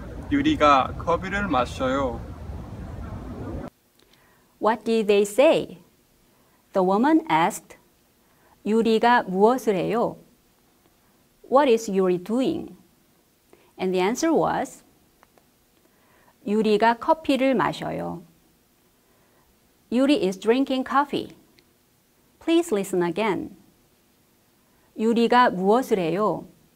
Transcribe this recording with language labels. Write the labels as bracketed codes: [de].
[ko] Yuri가 커피를 마셔요. [en] What did they say? The woman asked, [ko] Yuri가 무엇을 해요? [en] What is Yuri doing? And the answer was, [ko] Yuri가 커피를 마셔요. [en] Yuri is drinking coffee. Please listen again. [ko] Yuri가 무엇을 해요?